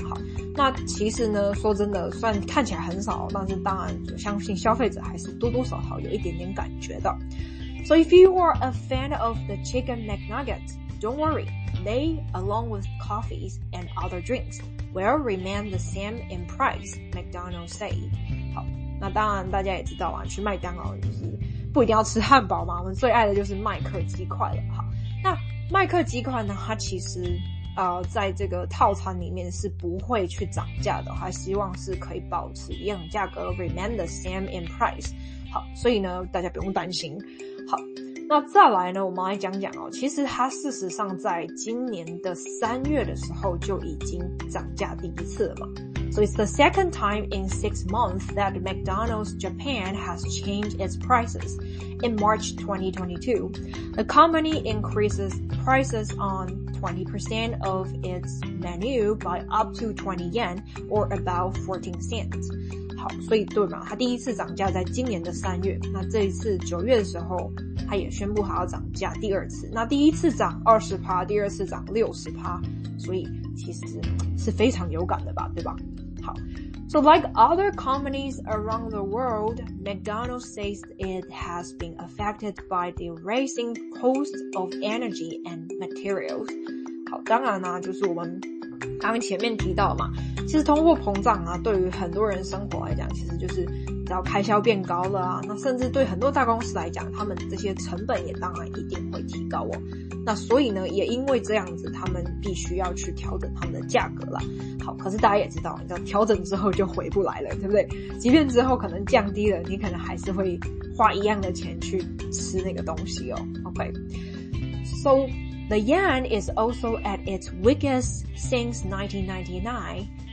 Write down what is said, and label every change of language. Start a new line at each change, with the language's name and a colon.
Chinese: 好，那其实呢，说真的，算看起来很少，但是当然相信消费者还是多多少少有一点点感觉的。
English: So if you are a fan of the chicken McNuggets, don't worry, they along with coffees and other drinks. Will remain the same in price, McDonald's say.
Chinese: 好，那当然大家也知道啊，去麦当劳就是不一定要吃汉堡嘛，我们最爱的就是麦克鸡块了。好，那麦克鸡块呢，它其实在这个套餐里面是不会去涨价的，它希望是可以保持一样价格 ，
English: remain the same in price。
Chinese: 好，所以呢，大家不用担心。好。那再来呢，我们来讲讲哦，其实它事实上在今年的三月的时候就已经涨价第一次了嘛。
English: So it's the second time in 6 months that McDonald's Japan has changed its prices. In March 2022, the company increases prices on 20% of its menu by up to 20 yen or about 14 cents.
Chinese: 好，所以对嘛，他第一次涨价在今年的三月，那这一次九月的时候，他也宣布他要涨价第二次。那第一次涨 20%， 第二次涨 60%， 所以其实是非常有感的吧，对吧？
English: 好 ，So like other companies around the world, McDonald's says it has been affected by the rising cost of energy and materials.
Chinese: 好，当然啦，就是我们刚刚前面提到嘛。其实通货膨胀啊，对于很多人生活来讲，其实就是只要开销变高了啊，那甚至对很多大公司来讲，他们这些成本也当然一定会提高哦。那所以呢，也因为这样子，他们必须要去调整他们的价格啦。好，可是大家也知道，你知道调整之后就回不来了，对不对？即便之后可能降低了，你可能还是会花一样的钱去吃那个东西哦。
English: OK, so the yen is also at its weakest since 1999.